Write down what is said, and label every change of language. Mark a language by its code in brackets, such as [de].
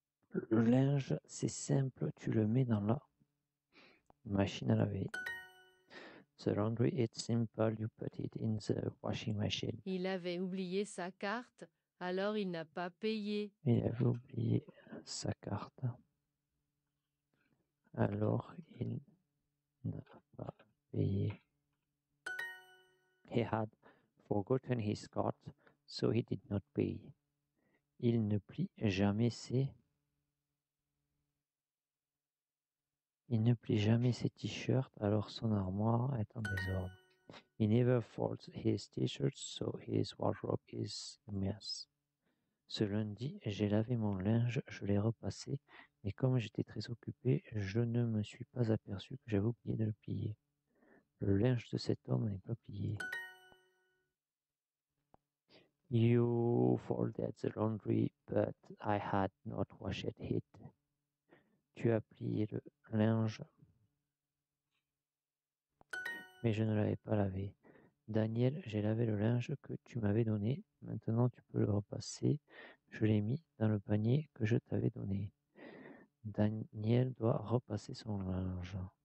[fr] Le linge, c'est simple, tu le mets dans la machine à laver. [en] The laundry, it's simple, you put it in the washing machine. [fr] Il avait oublié sa carte, alors il n'a pas payé. Il avait oublié sa carte, alors il n'a pas payé. [en] He had forgotten his card, so he did not pay. [fr] Il ne plie jamais ses... Il ne plie jamais ses t-shirts, alors son armoire est en désordre. [en] He never folds his t-shirts, so his wardrobe is a mess. [fr] Ce lundi, j'ai lavé mon linge, je l'ai repassé, et comme j'étais très occupé, je ne me suis pas aperçu que j'avais oublié de le plier. Le linge de cet homme n'est pas plié. [en] You folded the laundry, but I had not washed it. [fr] Tu as plié le linge, mais je ne l'avais pas lavé. Daniel, j'ai lavé le linge que tu m'avais donné. Maintenant, tu peux le repasser. Je l'ai mis dans le panier que je t'avais donné. Daniel doit repasser son linge.